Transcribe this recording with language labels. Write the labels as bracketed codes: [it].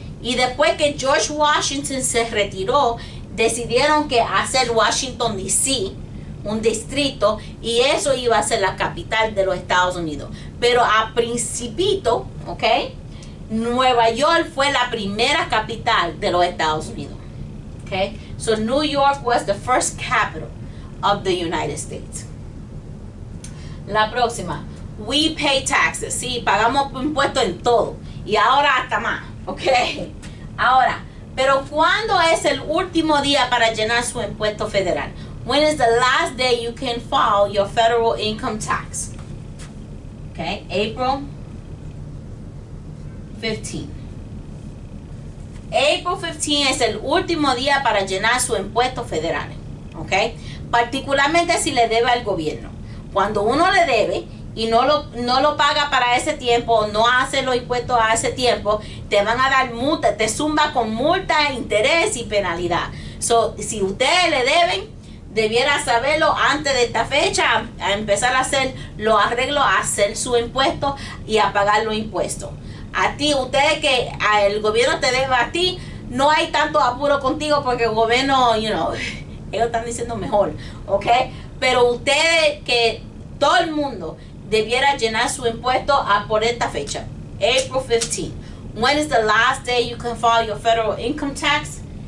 [es] Y después que George Washington se retiró, decidieron que hacer Washington D.C., un distrito, y eso iba a ser la capital de los Estados Unidos. Pero a principito, ¿ok? Nueva York fue la primera capital de los Estados Unidos. ¿Ok? [en] So, New York was the first capital of the United States. [es] La próxima. [en] We pay taxes. [es] Sí, pagamos impuestos en todo. Y ahora hasta más. ¿Ok? Ahora, pero ¿cuándo es el último día para llenar su impuesto federal? [en] When is the last day you can file your federal income tax? Okay, April 15. April 15 [es] es el último día para llenar su impuesto federal. Okay, particularmente si le debe al gobierno. Cuando uno le debe y no lo paga para ese tiempo, no hace los impuestos a ese tiempo, te van a dar multa, te zumba con multa, interés y penalidad. So, si ustedes le deben, debiera saberlo antes de esta fecha, a empezar a hacer los arreglos, a hacer su impuesto y a pagar los impuestos. A ti, ustedes que el gobierno te debe a ti, no hay tanto apuro contigo porque el gobierno, [en] you know, [es] ellos están diciendo mejor, ¿ok? Pero ustedes que todo el mundo debiera llenar su impuesto a por esta fecha, [en] April 15. When is the last day you can file your federal income tax?